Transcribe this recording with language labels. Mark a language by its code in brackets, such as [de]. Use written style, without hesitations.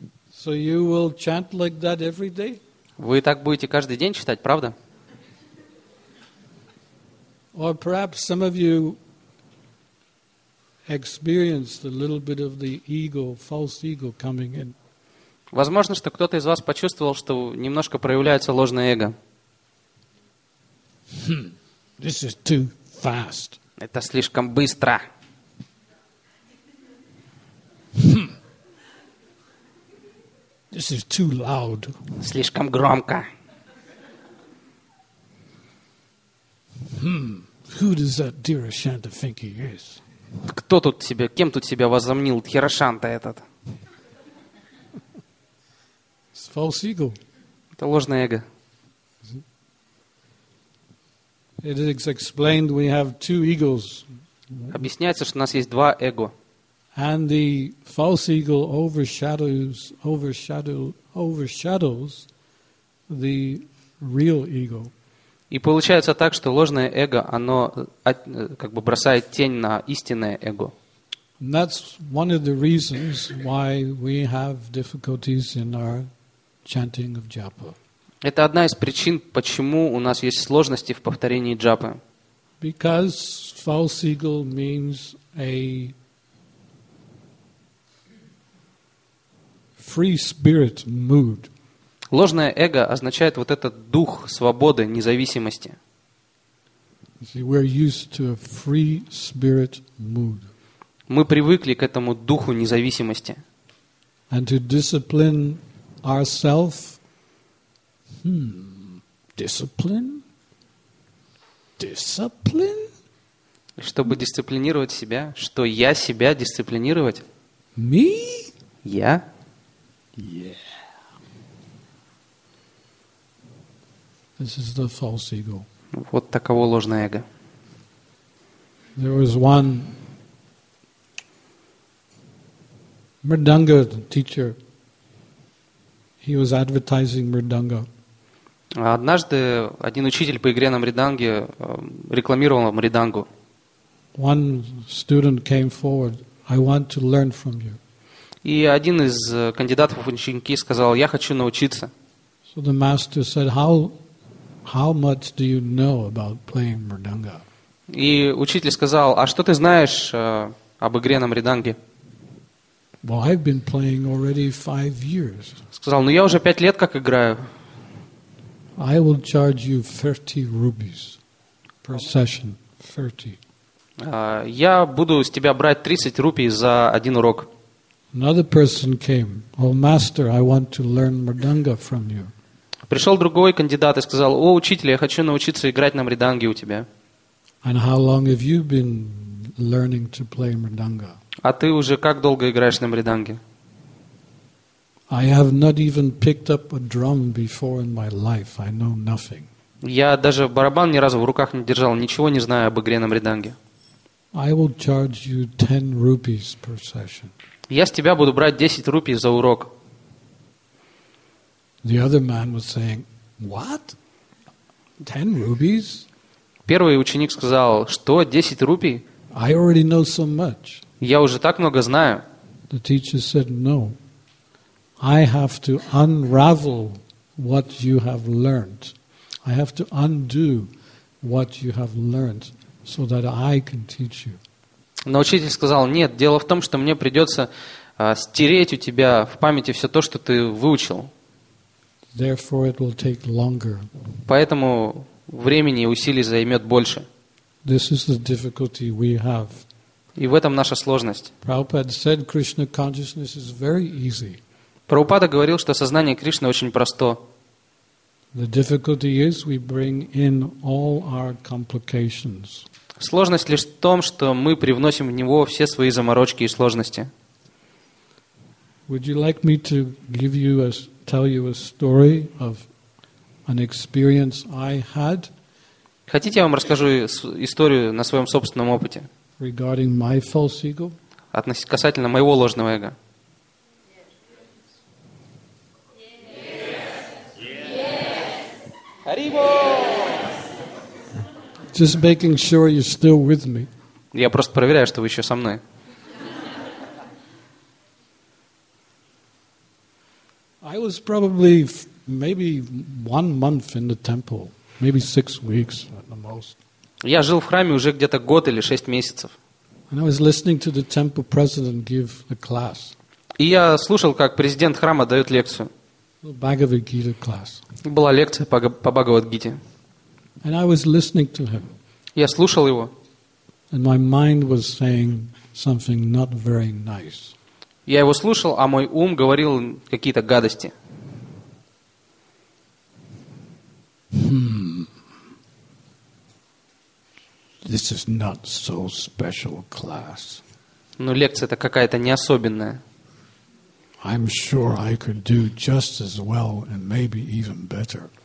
[en] So you will chant like that every day? [ru] Вы так будете каждый день читать, правда? [en] Or perhaps some of you experienced a little bit of the ego, false ego coming in. [ru] Возможно, что кто-то из вас почувствовал, что немножко проявляется ложное эго. [en] This is too fast. [ru] Это слишком быстро. [en] This is too loud. [ru] Слишком громко. [en] Who does that dear Ashanta think he is? [ru] Кто тут себя, кем тут себя возомнил Хирошанта этот? [en] It's false ego. [ru] Это ложное эго. [en] It is explained we have two egos. [ru] Объясняется, что у нас есть два эго. [en] And the false ego overshadows the real ego. [ru] И получается так, что ложное эго, оно как бы бросает тень на истинное эго. [en] And that's one of the reasons why we have difficulties in our chanting of japa. [ru] Это одна из причин, почему у нас есть сложности в повторении джапы. [en] Because false ego means a free spirit mood. [ru] Ложное эго означает вот этот дух свободы, независимости. [en] See, we're used to a free spirit mood. [ru] Мы привыкли к этому духу независимости. [en] And to discipline ourselves. Discipline? [ru] Чтобы дисциплинировать себя, что я себя дисциплинировать? [en] Me? [ru] Я? [en] Yeah. This is the false ego. [ru] Вот таково ложное эго. [en] There was one Мридунга teacher. He was advertising Мридунга. [ru] Однажды один учитель по игре на мриданге рекламировал мридангу. [en] One student came forward. I want to learn from you. [ru] И один из кандидатов ученики сказал: «Я хочу научиться». [en] So the master said, how much do you know about playing mridanga? [ru] И учитель сказал: «А что ты знаешь об игре на мриданге?» [en] Well, I've been playing already 5 years. [ru] Сказал: «Ну я уже 5 лет как играю». [en] I will charge you 30 rupees per session. 30. [ru] Я буду с тебя брать 30 рупий за один урок. [en] Another person came. Oh, master, I want to learn mridanga from you. [ru] Пришел другой кандидат и сказал: «О, учитель, я хочу научиться играть на мриданге у тебя». [en] And how long have you been learning to play mridanga? [ru] А ты уже как долго играешь на мриданге? [en] I have not even picked up a drum before in my life. I know nothing. [ru] Я даже барабан ни разу в руках не держал, ничего не знаю об игре на мриданге. [en] I will charge you 10 rupees per session. [ru] Я с тебя буду брать 10 рупий за урок. [en] The other man was saying, what? 10 rupees? [ru] Первый ученик сказал: что, 10 рупий? [en] I already know so much. [ru] Я уже так много знаю. [en] The teacher said, no. I have to unravel what you have learned. I have to undo what you have learned so that I can teach you. [ru] Но учитель сказал: нет, дело в том, что мне придется стереть у тебя в памяти все то, что ты выучил. [en] Therefore it will take longer. [ru] Поэтому времени и усилий займет больше. [en] This is the difficulty we have. [ru] И в этом наша сложность. [en] Prabhupada said Krishna consciousness is very easy. [ru] Прабхупада говорил, что сознание Кришны очень просто. [en] The difficulty is we bring in all our complications. [ru] Сложность лишь в том, что мы привносим в него все свои заморочки и сложности. [en] Would you like me to give you a tell you a story of an experience I had? [ru] Хотите, я вам расскажу историю на своем собственном опыте? [en] Regarding my false ego? [ru] Касательно моего ложного эго. [en] Yes. Just making sure you're still with me. [ru] Я просто проверяю, что вы еще со мной. [en] I was probably maybe 1 month in the temple, maybe 6 weeks at the most. [ru] Я жил в храме уже где-то год или 6 месяцев. [en] And I was listening to the temple president give a class. [ru] И я слушал, как президент храма дает лекцию. [en] Bhagavad Gita class. [ru] Была лекция по Бхагавад-гите. [en] And I was listening to him. [ru] Я слушал его. [en] And my mind was saying something not very nice. [ru] Я его слушал, а мой ум говорил какие-то гадости. Hmm. [en] This is not so special class. [ru] Но лекция это какая-то не особенная. [en] I'm sure I could do just as well and maybe even better.